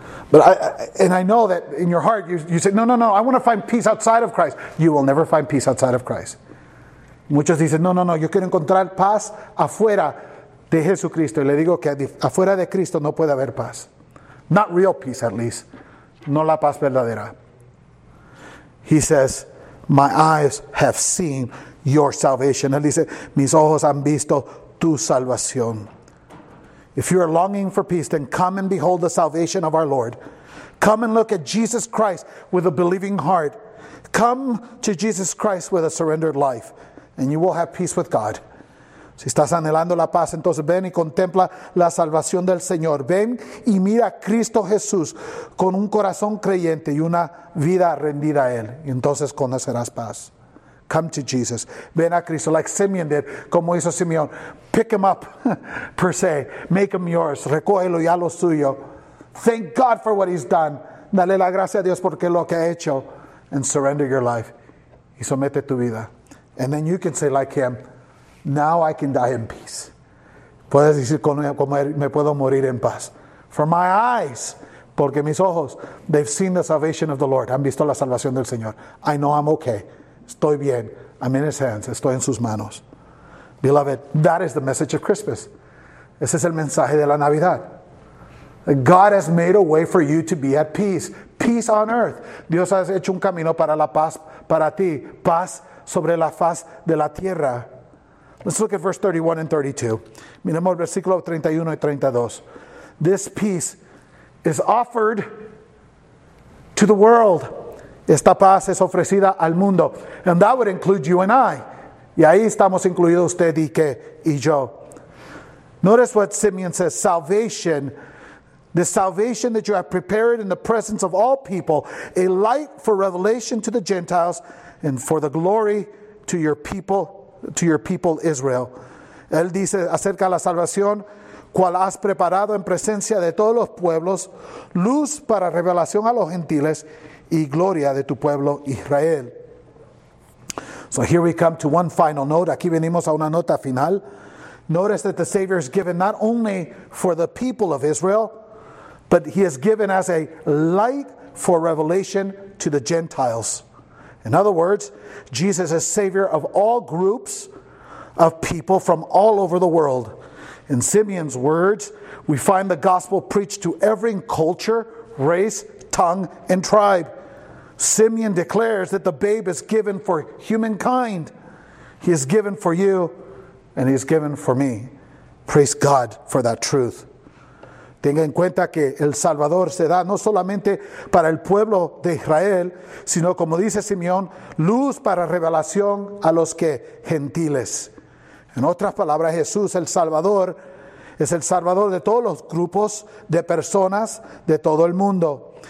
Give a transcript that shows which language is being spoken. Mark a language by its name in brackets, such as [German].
[English] But I know that in your heart, you say, no, I want to find peace outside of Christ. You will never find peace outside of Christ. [Spanish] Muchos dicen, no, yo quiero encontrar paz afuera de Jesucristo. Y le digo que afuera de Cristo no puede haber paz. [English] Not real peace, at least. [Spanish] No la paz verdadera. [English] He says, my eyes have seen your salvation. [Spanish] Él dice, mis ojos han visto tu salvación. [English] If you are longing for peace, then come and behold the salvation of our Lord. Come and look at Jesus Christ with a believing heart. Come to Jesus Christ with a surrendered life, and you will have peace with God. [Spanish] Si estás anhelando la paz, entonces ven y contempla la salvación del Señor. Ven y mira a Cristo Jesús con un corazón creyente y una vida rendida a Él. Y entonces conocerás paz. [English] Come to Jesus. [Spanish] Ven a Cristo, [English] like Simeon did, [Spanish] como hizo Simeón. [English] Pick him up, per se. Make him yours. [Spanish] Recógelo ya lo suyo. [English] Thank God for what he's done. [Spanish] Dale la gracia a Dios porque lo que ha hecho. [English] And surrender your life. [Spanish] Y somete tu vida. [English] And then you can say like him, now I can die in peace. [Spanish] Puedes decir como me puedo morir en paz. [English] For my eyes, [Spanish] porque mis ojos, [English] they've seen the salvation of the Lord. [Spanish] Han visto la salvación del Señor. [English] I know I'm okay. [Spanish] Estoy bien. [English] I'm in his hands. [Spanish] Estoy en sus manos. [English] Beloved, that is the message of Christmas. [Spanish] Ese es el mensaje de la Navidad. [English] God has made a way for you to be at peace. Peace on earth. [Spanish] Dios ha hecho un camino para la paz para ti. Paz sobre la faz de la tierra. [English] Let's look at verse 31 and 32. [Spanish] Miremos versículo 31 y 32. [English] This peace is offered to the world. [Spanish] Esta paz es ofrecida al mundo. [English] And that would include you and I. [Spanish] Y ahí estamos incluidos usted y que y yo. [English] Notice what Simeon says. Salvation. The salvation that you have prepared in the presence of all people. A light for revelation to the Gentiles. And for the glory to your people Israel. [Spanish] Él dice acerca de la salvación. Cual has preparado en presencia de todos los pueblos. Luz para revelación a los gentiles. Y gloria de tu pueblo Israel. [English] So here we come to one final note. [Spanish] Aquí venimos a una nota final. [English] Notice that the Savior is given not only for the people of Israel, but he is given as a light for revelation to the Gentiles. In other words, Jesus is Savior of all groups of people from all over the world. In Simeon's words, we find the gospel preached to every culture, race, tongue, and tribe. Simeon declares that the babe is given for humankind. He is given for you, and he is given for me. Praise God for that truth. [Spanish] Tenga en cuenta que el Salvador se da no solamente para el pueblo de Israel, sino como dice Simeón, luz para revelación a los que gentiles. En otras palabras, Jesús, el Salvador, es el Salvador de todos los grupos de personas de todo el mundo.